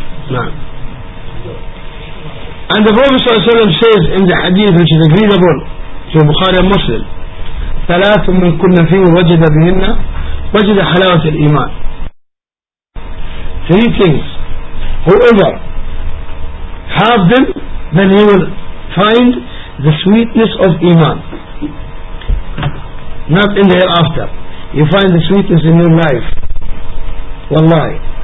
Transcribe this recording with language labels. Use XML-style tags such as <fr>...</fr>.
<en>Now, and the Prophet ﷺ says in the hadith which is agreed upon to Bukhari and Muslim.</en> <ar>ثلاث من كنا فيه وجد بهن وجد حلاوة الإيمان.</ar> <en>Three things. Whoever have them, then he will find the sweetness of Iman. Not in the hereafter. You find the sweetness in your life. Wallahi.</en>